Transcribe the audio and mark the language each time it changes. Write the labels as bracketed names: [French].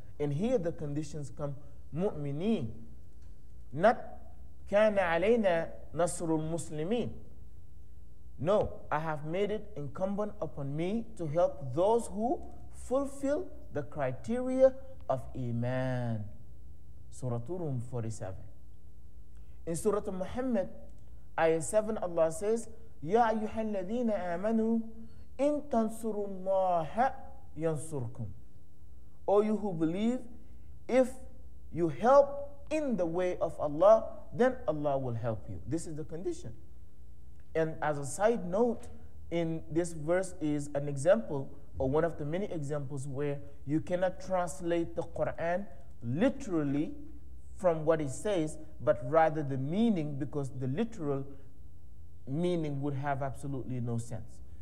[English] And here the conditions come, mu'mineen. Not [Arabic] kana alayna nasrul muslimin. [English] No, I have made it incumbent upon me to help those who fulfill the criteria of iman. Surah Rum 47. In Surah Muhammad, ayah 7, Allah says, [Arabic] يَا أَيُّهَا الَّذِينَ آمَنُوا إِن تَنْصُرُوا اللَّهَ يَنْصُرْكُمْ. [English] O you who believe, if you help in the way of Allah, then Allah will help you. This is the condition. And as a side note, in this verse is an example, or one of the many examples, where you cannot translate the Quran literally from what it says, but rather the meaning, because the literal meaning would have absolutely no sense.